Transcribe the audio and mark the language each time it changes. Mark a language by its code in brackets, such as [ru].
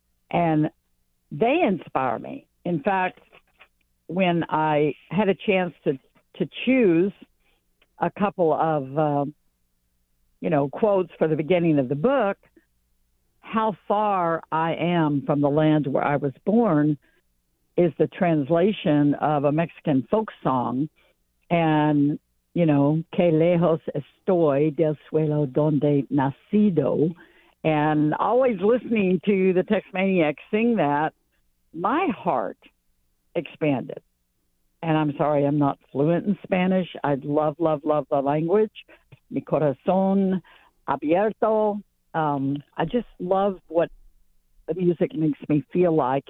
[en] And they inspire me. In fact, when I had a chance to choose a couple of you know, quotes for the beginning of the book, how far I am from the land where I was born is the translation of a Mexican folk song. [es] And, you know, que lejos estoy del suelo donde nacido. [en] And always listening to the Tex-Maniacs sing that, my heart expanded. And I'm sorry, I'm not fluent in Spanish. I love, love, love the language. [es] Mi corazón abierto. [en] I just love what the music makes me feel like.